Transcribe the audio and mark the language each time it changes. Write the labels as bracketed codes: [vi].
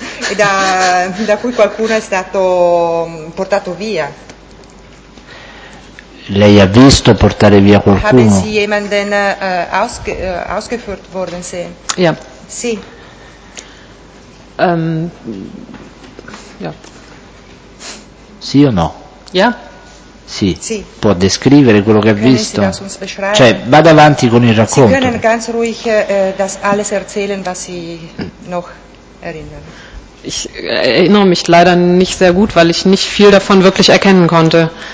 [it] E da cui qualcuno è stato portato via. Lei ha visto portare via qualcuno? [de] Haben Sie jemanden ausgeführt worden sehen? Ja. [it] Sì. [de] Ja. [it] Sì o no? [de] Ja. [it] Sì. Sì. Può descrivere quello che ha visto? Cioè, vada avanti con il racconto. [de] Sie können ganz ruhig das alles erzählen, was Sie noch erinnern. Ich erinnere mich leider nicht sehr gut, weil ich nicht viel davon wirklich erkennen konnte.